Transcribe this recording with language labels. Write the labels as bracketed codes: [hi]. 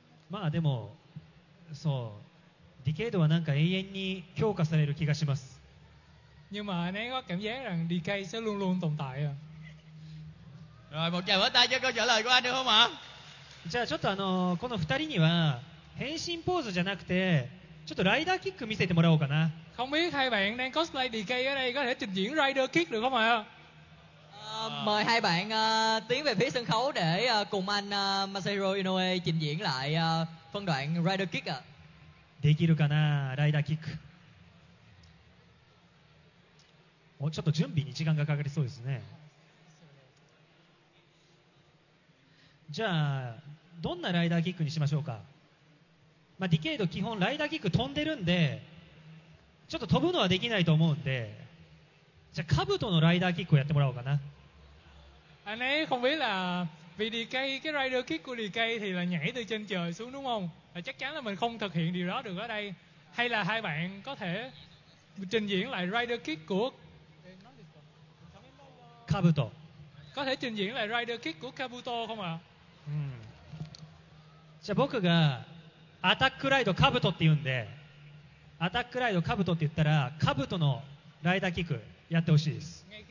[ja] まあでも、そう、ディケードはなんか永遠に強化される気がします。 [vi] Nhưng mà anh ấy có cảm giác rằng Decay sẽ luôn luôn tồn tại. Rồi, một tràng vỗ tay cho câu trả lời của anh được không ạ? [ja] じゃあちょっとあのこの二人には変身ポーズじゃなくて、ちょっとライダーキック見せてもらおうかな。 [vi] Không biết hai bạn đang cosplay Decay ở đây có thể trình diễn Rider Kick được không ạ? Mời hai bạn tiến về phía sân khấu để cùng anh Masahiro Inoue trình diễn lại phân đoạn Rider Kick ạ. [ja] できるかな?Rider Kick. もうちょっと準備に時間がかかりそうですね。じゃあ、どんなライダーキックにしましょうか?まあ、Decay の基本ライダーキック飛んでるんで、ちょっと飛ぶのはできないと思うんで、じゃあ兜のライダーキックをやってもらおうかな。 [vi] Anh ấy không biết là vì Decay cái rider kick của Decay thì là nhảy từ trên trời xuống đúng không? Chắc chắn là mình không thực hiện điều đó được ở đây. Hay là hai bạn có thể trình diễn lại rider kick của Kabuto. Có thể trình diễn lại rider kick của Kabuto không ạ? [ja] じゃあ僕がアタックライド兜って言うんで、アタックライドカブトって言ったらカブトのライダーキックやってほしいです。